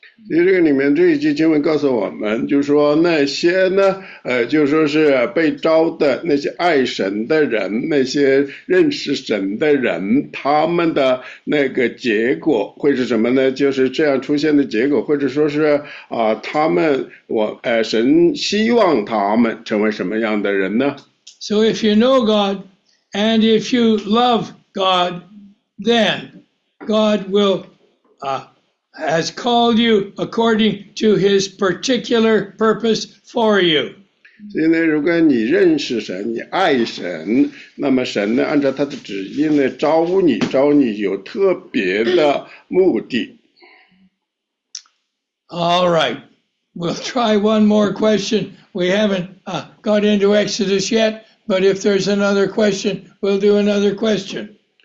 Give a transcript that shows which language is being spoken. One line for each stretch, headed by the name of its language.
Chinese: 所以这个里面这一句经文告诉我们，就说那些呢，就说是被招的那些爱神的人，那些认识神的人，他们的那个结果会是什么呢？就是这样出现的结果，或者说是他们神希望他们成为什么样的人呢
English: ？So if you know God and if you love God, then God will has called you according to his particular purpose for you.
Chinese: 所以呢，如果你认识神，你爱神，那么神呢，按照他的旨意呢，招你有特别的目的。
English: All right, we'll try one more question. We haven't got into Exodus yet, but if there's another question, we'll do another question.